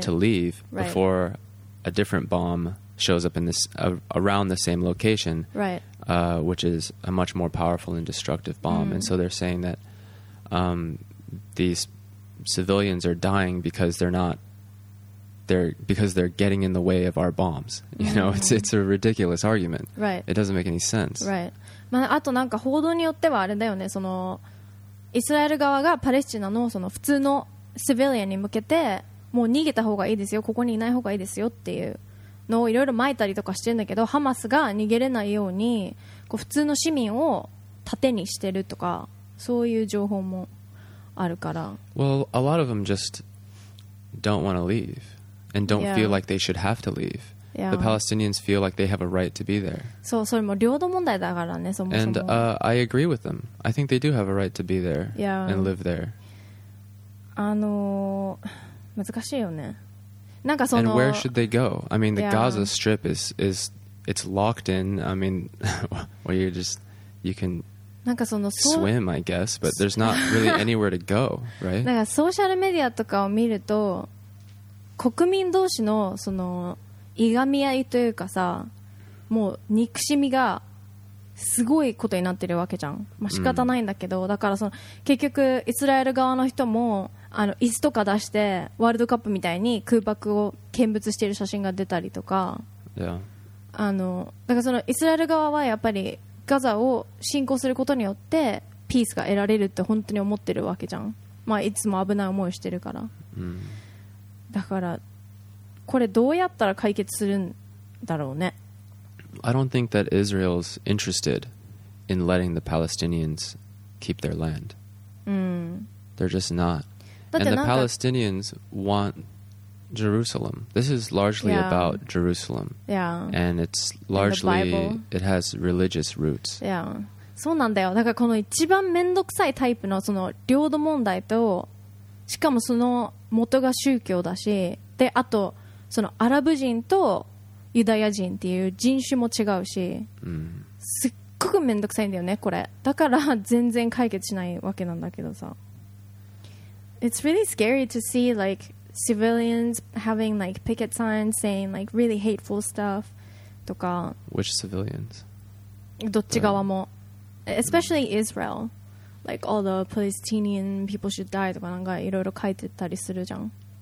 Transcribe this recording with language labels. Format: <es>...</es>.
<en>to leave before a different bomb shows up in this, around the same location, which is a much more powerful and destructive bomb. And so they're saying that these civilians are dying because they're getting in the way of our bombs. You know, it's a ridiculous argument. Right. It doesn't make any sense. Right.</en> <ja>まあ、あとなんか報道によってはあれだよね、そのイスラエル側がパレスチナのその普通のシビリアンに向けてもう逃げた方がいいですよ、ここにいない方がいいですよっていうのをいろいろ撒いたりとかしてるんだけど、ハマスが逃げれないようにこう普通の市民を盾にしてるとか、そういう情報もあるから。</ja> <en>Well, a lot of them just don't want to leave and don't feel like they should have to leave. The Palestinians feel like they have a right to be there.</en> <ja>そう、それも領土問題だからね、そもそも。</ja> <en>And、I agree with them. I think they do have a right to be there、and live there.</en> <ja>難しいよね。なんかその</ja> <en>And where should they go? I mean, the Gaza Strip is it's locked in. I mean, well, you just you can</en> <ja>なんかその</ja> <en>swim, I guess, but there's not really anywhere to go, right?</en> <ja>なんかソーシャルメディアとかを見ると、国民同士のそのいがみ合いというかさ、もう憎しみがすごいことになってるわけじゃん、まあ、仕方ないんだけど、だからその結局イスラエル側の人もあの椅子とか出してワールドカップみたいに空爆を見物している写真が出たりとか、あのだからそのイスラエル側はやっぱりガザを侵攻することによってピースが得られるって本当に思ってるわけじゃん、まあ、いつも危ない思いしてるから、だからこれどうやったら解決するんだろうね。</ja> <en>I don't think that Israel's interested in letting the Palestinians keep their land. They're just not. And the Palestinians want Jerusalem. This is largely about Jerusalem. Yeah. And it's largely, it has religious roots.</en> <ja>Yeah. そうなんだよ。だからこの一番めんどくさいタイプのその領土問題と、しかもその元が宗教だし、で、あとそのアラブ人とユダヤ人っていう人種も違うし、すっごくめんどくさいんだよねこれ。だから全然解決しないわけなんだけどさ。</ja> <en>It's really scary to see like civilians having like picket signs saying like really hateful stuff とか。 Which civilians?</en> <ja>どっち側も。</ja> <en>Especially Israel. Like all the Palestinian people should die</en> <ja>とかなんかいろいろ書いてたりするじゃん。</ja>